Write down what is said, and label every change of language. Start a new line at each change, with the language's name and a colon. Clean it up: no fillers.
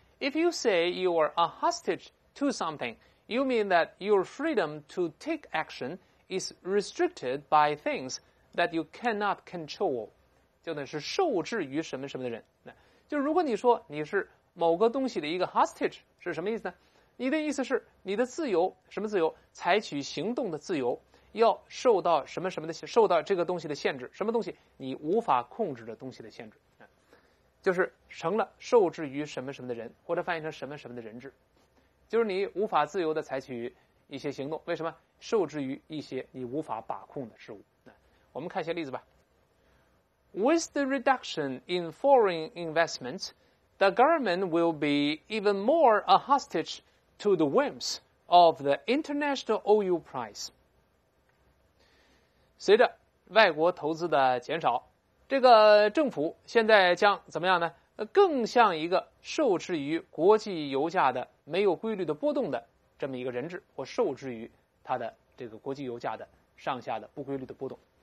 English: If you say you are a hostage to somethingYou mean that your freedom to take action is restricted by things that you cannot control.
Chinese: 就是受制于什么什么的人。就如果你说你是某个东西的一个 hostage， 是什么意思呢？你的意思是你的自由，什么自由？采取行动的自由，要受到什么什么的，受到这个东西的限制，什么东西？你无法控制的东西的限制。就是成了受制于什么什么的人，或者翻译成什么什么的人质。就是你无法自由地采取一些行动，为什么？受制于一些你无法把控的事物。我们看一些例子吧。
English: With the reduction in foreign investment, the government will be even more a hostage to the whims of the international oil price.
Chinese: 随着外国投资的减少，这个政府现在将怎么样呢？更像一个受制于国际油价的没有规律的波动的这么一个人质，或受制于它的这个国际油价的上下的不规律的波动。